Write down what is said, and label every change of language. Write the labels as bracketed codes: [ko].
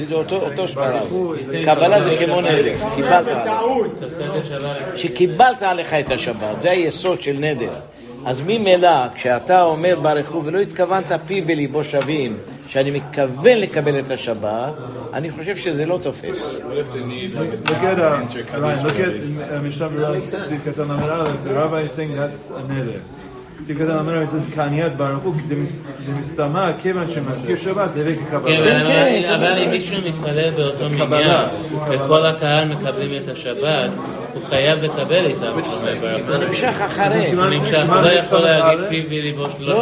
[he] זה אותו שפרה. קבלה זה כמו נדר. קיבלת עליך. שקיבלת עליך את השבת. זה היסוד של נדר. אז ממילא, כשאתה אומר ברכו, ולא התכוונת פי וליבו שווים, שאני מתכוון לקבל את השבת, אני חושב שזה לא תופס. [en] Look at Ryan, look at Mishnah Berurah, [he] סעיף קטן אמר, [en] the rabbi is saying that's a neder. [he] סעיף קטן אמר, [en] he says, [he] כעניית ברכו, דמסתמה, כיוון שמזכיר שבת, זה רק קבלה. אבל אם מישהו מתפלל באותו מניין, וכל הקהל מקבלים את השבת, הוא חייב לקבל איתם, הוא אומר ברכו. נמשך אחרי. נמשך, הוא לא יכול להגיד פי וליבו שלושה.